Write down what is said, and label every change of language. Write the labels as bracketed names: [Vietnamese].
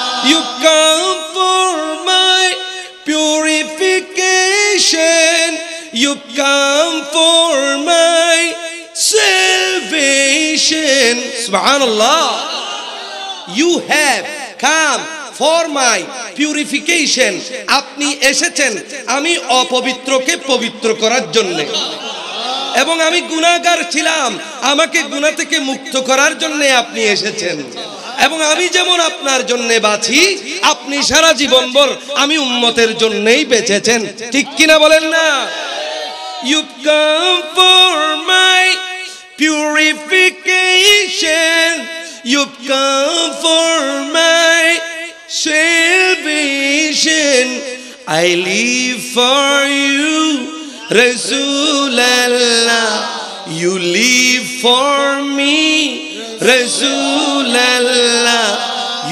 [English] You come for my purification. You come for my salvation. Subhanallah. You have come for my purification. [Bangla] আপনি এসেছেন আমি অপবিত্রকে পবিত্র করার জন্য এবং আমি গুনাহগার ছিলাম আমাকে গুনাহ থেকে মুক্ত করার জন্য আপনি এসেছেন এবং আমি যেমন আপনার জন্য বাঁচি আপনি সারা জীবন ভর আমি উম্মতের জন্যই বেঁচেছেন ঠিক কিনা বলেন না [English] You've come for my purification. You've come for my salvation. I live for you, Rasulallah. You live for me, Rasulallah.